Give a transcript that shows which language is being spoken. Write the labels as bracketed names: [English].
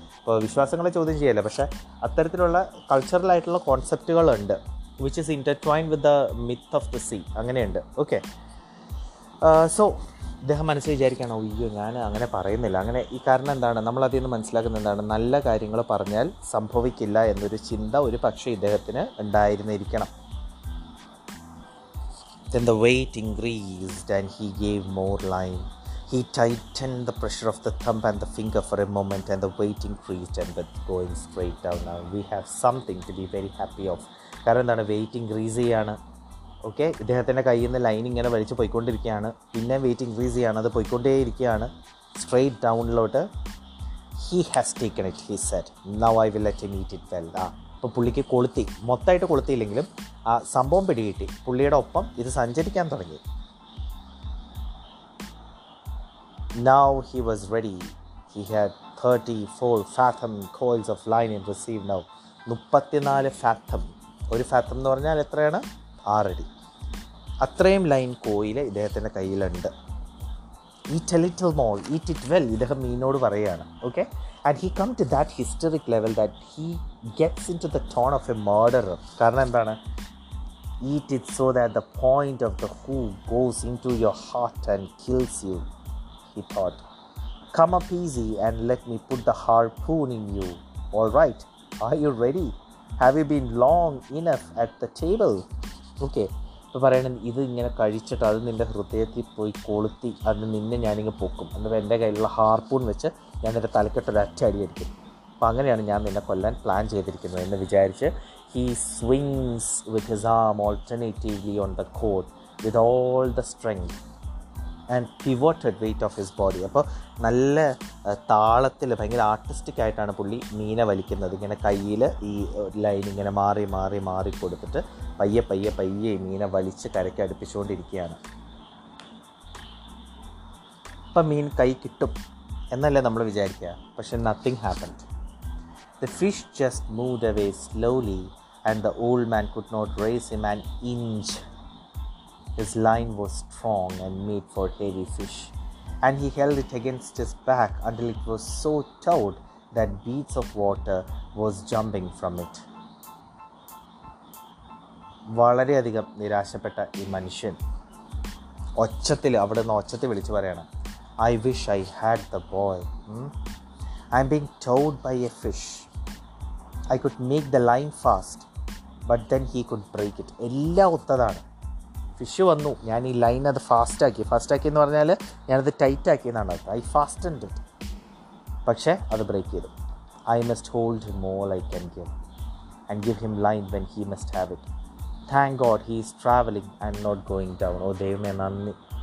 [Malayalam] അപ്പോൾ വിശ്വാസങ്ങളെ ചോദ്യം ചെയ്യല്ല, പക്ഷേ അത്തരത്തിലുള്ള കൾച്ചറലായിട്ടുള്ള കോൺസെപ്റ്റുകളുണ്ട്, [English] which is intertwined with the myth of the sea, [Malayalam] അങ്ങനെയുണ്ട്. ഓക്കെ, സോ ഇദ്ദേഹം മനസ്സിൽ വിചാരിക്കുകയാണ് അയ്യോ ഞാൻ അങ്ങനെ പറയുന്നില്ല അങ്ങനെ. ഈ കാരണം എന്താണ്, നമ്മളതിൽ നിന്ന് മനസ്സിലാക്കുന്നത് എന്താണ്, നല്ല കാര്യങ്ങൾ പറഞ്ഞാൽ സംഭവിക്കില്ല എന്നൊരു ചിന്ത ഒരു പക്ഷേ ഇദ്ദേഹത്തിന് ഉണ്ടായിരുന്നിരിക്കണം. [English] Then the weight increased and he gave more line. He tightened the pressure of the thumb and the finger for a moment and the weight increased and with going straight down. Now we have something to be very happy of. [Malayalam] കാരണം എന്താണ്, wait increase ചെയ്യാണ്. Okay, ഇദ്ദേഹത്തിൻ്റെ കയ്യിൽ നിന്ന് line ഇങ്ങനെ വലിച്ചു പോയിക്കൊണ്ടിരിക്കുകയാണ്, പിന്നെ വെയിറ്റ് ഇൻക്രീസ് ചെയ്യാണ്, അത് പോയിക്കൊണ്ടേ ഇരിക്കുകയാണ് straight ഡൗണിലോട്ട്. [English] He has taken it, he said, now I will let him eat it well. [Malayalam] ആ ഇപ്പോൾ പുള്ളിക്ക് കൊളുത്തി, മൊത്തമായിട്ട് കൊളുത്തിയില്ലെങ്കിലും ആ സംഭവം പിടികിട്ടി, പുള്ളിയുടെ ഒപ്പം ഇത് സഞ്ചരിക്കാൻ തുടങ്ങി. [English] Now he was ready, he had 34 fathom coils of line in receive now. [Malayalam] 34 fathom, ഒരു ഫാത്തം എന്ന് പറഞ്ഞാൽ എത്രയാണ്, 6 അടി, അത്രയും ലൈൻ കോയിൽ ഇദ്ദേഹത്തിൻ്റെ കയ്യിലുണ്ട്. [English] eat a little more, eat it well, [Malayalam] ഇദ്ദേഹം മീനോട് പറയുകയാണ്. [English] Okay, and he come to that historic level that he gets in to the tone of a murderer. [Malayalam] കാരണം എന്താണ്, [English] Eat it so that the point of the hook goes in to your heart and kills you, he thought. Come up easy and let me put the harpoon in you. All right, are you ready? Have you been long enough at the table? Okay. [Malayalam] ഇപ്പോൾ പറയണം, ഇത് ഇങ്ങനെ കഴിച്ചിട്ട് അത് നിൻ്റെ ഹൃദയത്തിൽ പോയി കൊളുത്തി, അത് നിന്നെ ഞാനിങ്ങ് പൊക്കും, എന്നിട്ട് എൻ്റെ കയ്യിലുള്ള ഹാർപൂൺ വെച്ച് ഞാൻ എൻ്റെ തലക്കെട്ടൊരു അറ്റടി എടുക്കും. അപ്പം അങ്ങനെയാണ് ഞാൻ നിന്നെ കൊല്ലാൻ പ്ലാൻ ചെയ്തിരിക്കുന്നത് എന്ന് വിചാരിച്ച് [English] He swings with his arm alternatively on the cord with all the strength and pivoted weight of his body. [Malayalam] അപ്പോൾ നല്ല താളത്തിൽ, ഭയങ്കര ആർട്ടിസ്റ്റിക് ആയിട്ടാണ് പുള്ളി മീനെ വലിക്കുന്നത്. ഇങ്ങനെ കയ്യിൽ ഈ ലൈൻ ഇങ്ങനെ മാറി മാറി മാറി കൊടുത്തിട്ട് പയ്യെ പയ്യെ പയ്യെ മീനെ വലിച്ച് കരയ്ക്ക് അടുപ്പിച്ചുകൊണ്ടിരിക്കുകയാണ്. ഇപ്പം മീൻ കൈ കിട്ടും എന്നല്ലേ നമ്മൾ വിചാരിക്കുക, പക്ഷേ [English] Nothing happened. The fish just moved away slowly and the old man could not raise him an inch. His line was strong and made for heavy fish. And he held it against his back until it was so taut that beads of water was jumping from it. [Malayalam] വളരെ അധികം നിരാശപ്പെട്ട ഈ മനുഷ്യൻ ഒച്ചത്തിൽ, അവിടെ നിന്ന് ഒച്ചത്തിൽ വിളിച്ചു പറയണം, [English] I wish I had the boy. I am being towed by a fish. I could make the line fast, but then he could break it. [Malayalam] എല്ലാം ഒത്തതാണ്. Fish വന്നു, ഞാൻ ഈ ലൈൻ അത് ഫാസ്റ്റാക്കി, ഫാസ്റ്റാക്കി എന്ന് പറഞ്ഞാൽ ഞാനത് ടൈറ്റാക്കി എന്നാണ് അർത്ഥം, [English] I fast it, [Malayalam] പക്ഷേ അത് ബ്രേക്ക് ചെയ്തു. [English] I must hold him all I can give and give him line when he must have it. Thank God he is travelling and not going down. [Malayalam] ഓ ദൈവമേ നന്ദി,